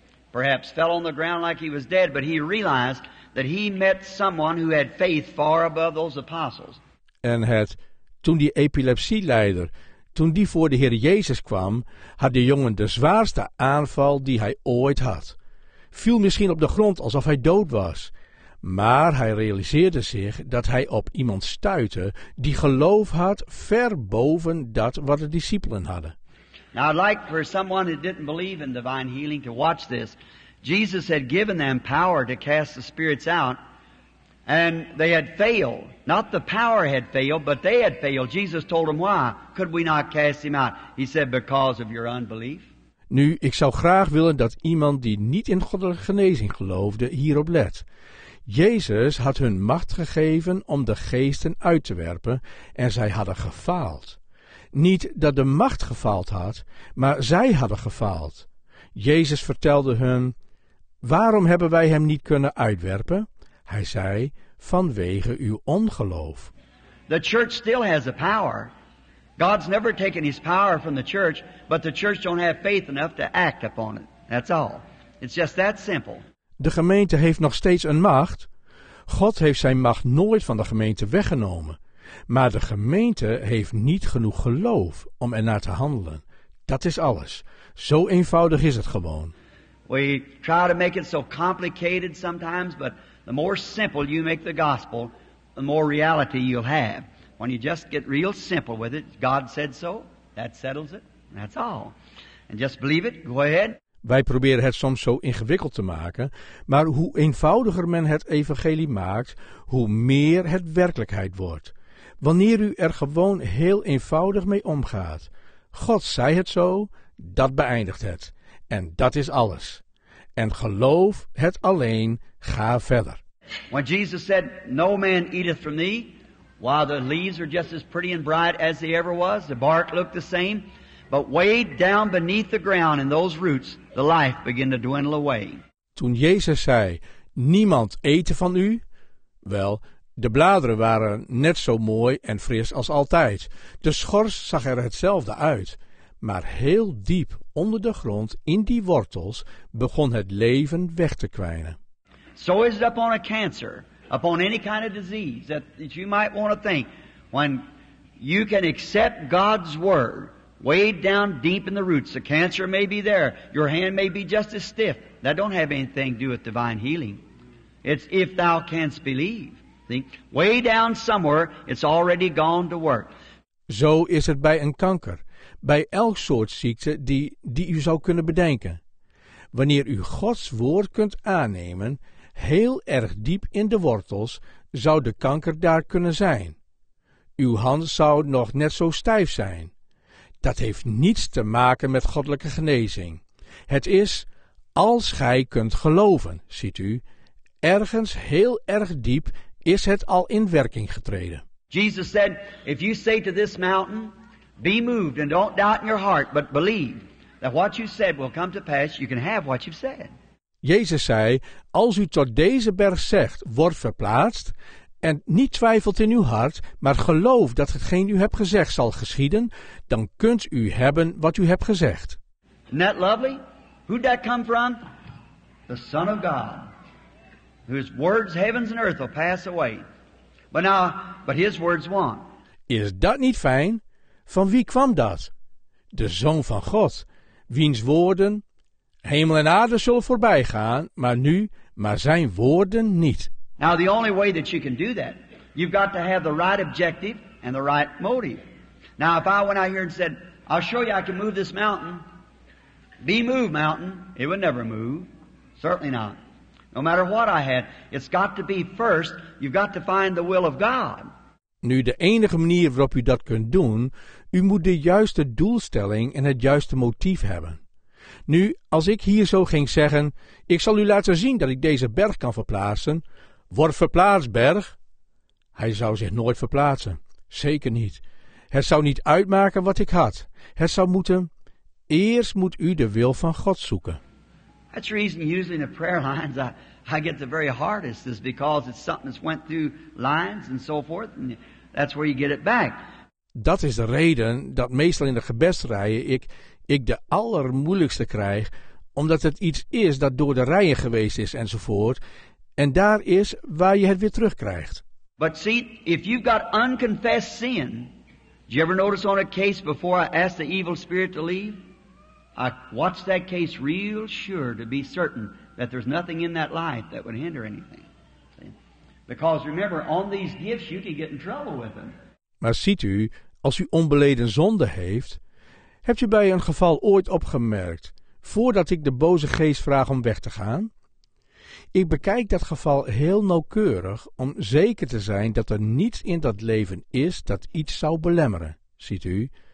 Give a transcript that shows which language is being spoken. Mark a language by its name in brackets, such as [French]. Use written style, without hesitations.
[English] Perhaps fell on the ground like he was dead, but he realized that he met someone who had faith far above those apostles. [Dutch] En het, toen die epilepsieleider, toen die voor de Heer Jezus kwam, had de jongen de zwaarste aanval die hij ooit had. Viel misschien op de grond alsof hij dood was. Maar hij realiseerde zich dat hij op iemand stuitte die geloof had ver boven dat wat de discipelen hadden. [English] Now I'd like for someone that didn't believe in divine healing to watch this. Jesus had given them power to cast the spirits out and they had failed. Not the power had failed, but they had failed. Jesus told them why could we not cast him out? He said because of your unbelief. [Dutch] Nu, ik zou graag willen dat iemand die niet in goddelijke genezing geloofde hierop let. Jezus had hun macht gegeven om de geesten uit te werpen en zij hadden gefaald. Niet dat de macht gefaald had, maar zij hadden gefaald. Jezus vertelde hun, waarom hebben wij hem niet kunnen uitwerpen? Hij zei, vanwege uw ongeloof. [English] The church still has the power. God's never taken his power from the church, but the church don't have faith enough to act upon it. That's all. It's just that simple. [Dutch] De gemeente heeft nog steeds een macht. God heeft zijn macht nooit van de gemeente weggenomen. Maar de gemeente heeft niet genoeg geloof om ernaar te handelen. Dat is alles. Zo eenvoudig is het gewoon. [English] We try to make it so complicated sometimes, but the more simple you make the gospel, the more reality you'll have. When you just get real simple with it, God said so, that settles it, that's all. And just believe it, go ahead. [Dutch] Wij proberen het soms zo ingewikkeld te maken, maar hoe eenvoudiger men het evangelie maakt, hoe meer het werkelijkheid wordt. Wanneer u er gewoon heel eenvoudig mee omgaat, God zei het zo, dat beëindigt het. En dat is alles. En geloof het alleen, ga verder. [English] When Jesus said, no man eateth from thee, while the leaves are just as pretty and bright as they ever was, the bark looked the same. But way down beneath the ground in those roots, the life began to dwindle away. [Dutch] Toen Jezus zei, niemand eten van u. Wel, de bladeren waren net zo mooi en fris als altijd. De schors zag er hetzelfde uit. Maar heel diep onder de grond, in die wortels, begon het leven weg te kwijnen. [English] So is it upon a cancer, upon any kind of disease, that you might want to think, when you can accept God's word, way down deep in the roots, the cancer may be there. Your hand may be just as stiff. That don't have anything to do with divine healing. It's if thou canst believe. See? Way down somewhere, it's already gone to work. [Dutch] Zo is het bij een kanker, bij elk soort ziekte die u zou kunnen bedenken. Wanneer u Gods woord kunt aannemen, heel erg diep in de wortels, zou de kanker daar kunnen zijn. Uw hand zou nog net zo stijf zijn. Dat heeft niets te maken met goddelijke genezing. Het is, als gij kunt geloven, ziet u, ergens heel erg diep is het al in werking getreden. [English] Jesus said, if you say to this mountain, be moved and don't doubt in your heart, but believe that what you said will come to pass, you can have what you've said. [Dutch] Jezus zei, als u tot deze berg zegt, wordt verplaatst, en niet twijfelt in uw hart, maar geloof dat hetgeen u hebt gezegd zal geschieden, dan kunt u hebben wat u hebt gezegd. [English] Isn't that lovely? Who'd that come from? The Son of God, whose words heavens and earth will pass away. But now, but his words won't. [Dutch] Is dat niet fijn? Van wie kwam dat? De Zoon van God, wiens woorden, hemel en aarde zullen voorbij gaan, maar nu, maar zijn woorden niet. [English] Now the only way that you can do that, you've got to have the right objective and the right motive. Now if I went out here and said, I'll show you I can move this mountain, be moved mountain, it would never move, certainly not. No matter what I had, it's got to be first, you've got to find the will of God. [Dutch] Nu, de enige manier waarop u dat kunt doen, u moet de juiste doelstelling en het juiste motief hebben. Nu, als ik hier zo ging zeggen, ik zal u laten zien dat ik deze berg kan verplaatsen. Word verplaatst, berg. Hij zou zich nooit verplaatsen. Zeker niet. Het zou niet uitmaken wat ik had. Het zou moeten. Eerst moet u de wil van God zoeken. [English] That's the reason usually in the prayer lines I get the very hardest is because it's something that's went through lines and so forth. And that's where you get it back. [Dutch] Dat is de reden dat meestal in de gebedsrijen ik de allermoeilijkste krijg, omdat het iets is dat door de rijen geweest is enzovoort. En daar is waar je het weer terugkrijgt. [English] But see, if you've got unconfessed sin, did you ever notice on a case before I asked the evil spirit to leave? I watched that case real sure to be certain that there's nothing in that life that would hinder anything. See? Because remember, on these gifts you can get in trouble with them. [Dutch] Maar ziet u, als u onbeleden zonde heeft, hebt u bij een geval ooit opgemerkt, voordat ik de boze geest vraag om weg te gaan? Ik bekijk dat geval heel nauwkeurig om zeker te zijn dat er niets in dat leven is dat iets zou belemmeren, ziet u?